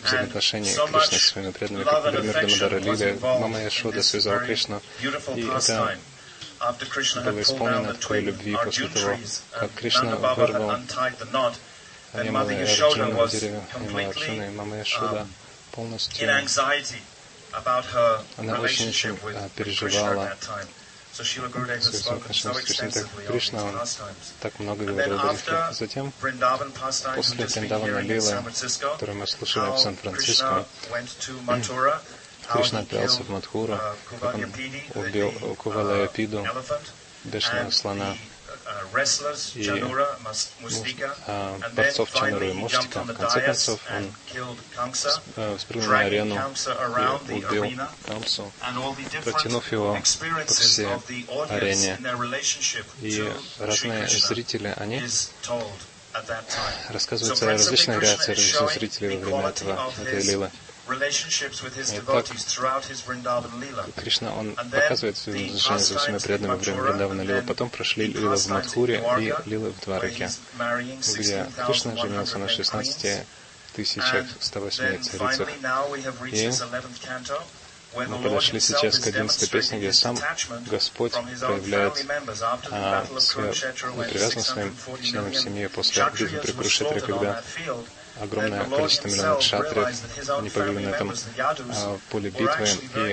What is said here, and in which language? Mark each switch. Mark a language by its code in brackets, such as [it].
[ru] взаимоотношения Кришны с своими преданными, как, например, Дамодара Лиле, мама Яшода связала Кришну, и это было исполнено в твоей любви после того, как Кришна вырвал Анимала Эрджуна в дереве Анимала Эрджуна, и мама Яшода полностью, она очень переживала [en] So Srila Gurudev has spoken so extensively on these pastimes. And then after затем, Vrindavan pastimes, we just been hearing in San Francisco, how Krishna went to Mathura, Krishna killed Мадхуру, [ru] убил Кувалайапиду, бешеного слона, [en] wrestlers, Чанура, Мустика, and then finally he jumped on the dais and killed Камса, dragging Камса around the arena, Камсу, and all the different experiences of the audience in their relationship to Шри Кришна [ru] зрители, [en] is told at that time. [ru] Рассказывается о различных реакциях различных зрителей во время этого, этой лилы. [en] Relationships with his devotees throughout his Vrindavan Lila. [ru] Кришна, он показывает свои отношения со своими преданными во время Вриндавана Лилы. Потом прошли лилы в Мадхуре и лилы в Двараке, где Кришна женился на 16108 царицах. И мы подошли сейчас к 11 песне, где сам Господь проявляет свою привязанность к своим членам семьи после битвы при Курукшетре, когда огромное количество миллионов кшатриев не погибли на этом поле битвы.